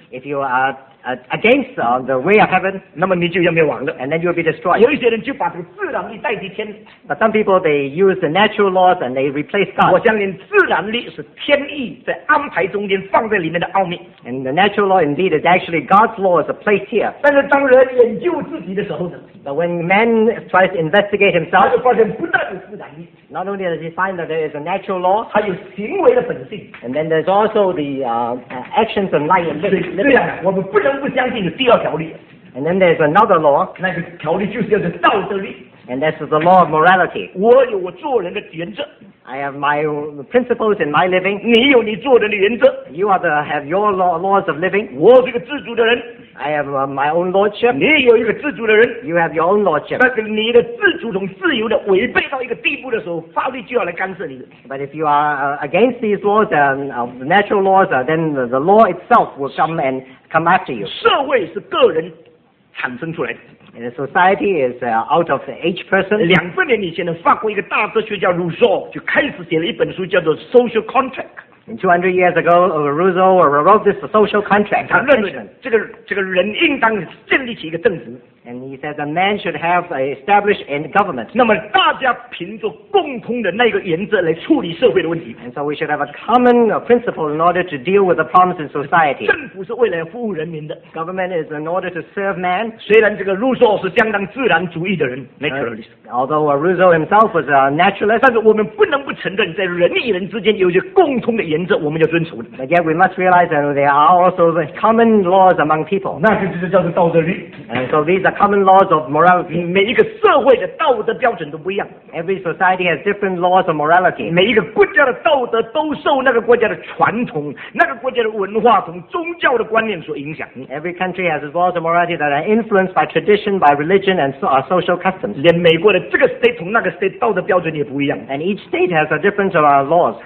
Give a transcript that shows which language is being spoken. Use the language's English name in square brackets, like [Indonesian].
[English] ，if you are against the way of heaven， [Chinese] 那么你就要灭亡了。 [English] And then you will be destroyed. [Chinese] 有一些人就把这个自然力代替天。 [English] But some people they use the natural laws and they replace God. [Chinese] 我相信自然力是天意在安排中间放在里面的奥秘。 [English] And the natural law indeed is actually God's law is placed here. [Chinese] 但是当人研究自己的时候呢？ [English] But when man tries to investigate himself, [Chinese] 他就发现不但有自然力。 [English] Not only does he find that there is a natural law, [Chinese] 还有行为的本性。 [English] And then there's also the actions and life. [Chinese] 对呀，我们不能不相信第二条律。 [English] And then there's another law. [Chinese] 那个条律就是叫做道德律。 [English] And this is the law of morality. [Chinese] 我有我做人的原则。 [English] I have my principles in my living. [Chinese] 你有你做人的原则。 [English] You are have your laws of living. [Chinese] 我是个自主的人。 [English] I have my own lordship. [Chinese] 你有一个自主的人。 [English] You have your own lordship. [Chinese] 但是你的自主同自由的违背到一个地步的时候，法律就要来干涉你了。 [English] But if you are against these laws, natural laws, then the law itself will come after you. [Chinese] 社会是个人产生出来的。 [English] And society is out of each person. [Chinese] 两百年以前的法国一个大哲学家 Rousseau 就开始写了一本书，叫做 Social Contract。 [English] And 200 years ago, Rousseau wrote this social contract. [Chinese] 他认为这个人应当建立起一个政府。 [English] And he says a man should have established a government. [Chinese] 那么大家凭着共同的那个原则来处理社会的问题。 [English] And so we should have a common principle in order to deal with the problems in society. [Chinese] 政府是为了服务人民的。 [English] Government is in order to serve man. [Chinese] 虽然这个 Rousseau 是相当自然主义的人 ，naturalist. [English] Although Rousseau himself was a naturalist, [Chinese] 但是我们不能不承认，在人与人之间有些共同的原则，我们要遵守的。 [English] But yet we must realize that there are also the common laws among people. [Chinese] 那就是叫做道德律。 [English] And so these. The common laws of morality. [Chinese] 每一个社会的道德标准都不一样。 [English] Every society has different laws of morality. [Chinese] 每一个国家的道德都受那个国家的传统、那个国家的文化同宗教的观念所影响。 [English] Every country has its laws of morality that are influenced by tradition, by religion, and our social customs. [Chinese] 连美国的这个 state 同那个 state 道德标准也不一样。 [English] And each state has a difference of our laws.